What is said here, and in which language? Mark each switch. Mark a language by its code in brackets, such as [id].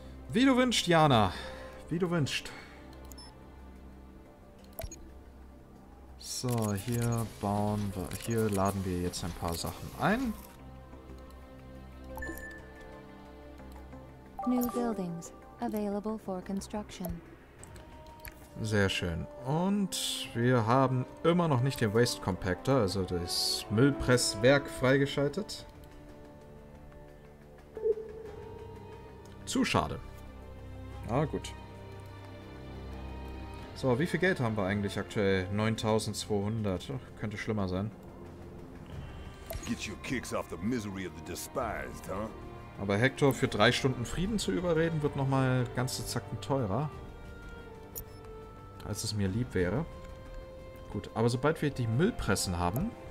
[de] Wie du wünschst, Jana. Wie du wünschst. So, hier bauen wir, hier laden wir jetzt ein paar Sachen ein. [en] New buildings. Available for construction. [de] Sehr schön. Und wir haben immer noch nicht den Waste Compactor, also das Müllpresswerk, freigeschaltet. Zu schade. Ah, gut. So, wie viel Geld haben wir eigentlich aktuell? 9200. Ach, könnte schlimmer sein. [en] Get your kicks off the misery of the despised, huh? [de] Aber Hector für 3 Stunden Frieden zu überreden, wird nochmal ganze Zacken teurer. Als es mir lieb wäre. Gut, aber sobald wir die Müllpressen haben...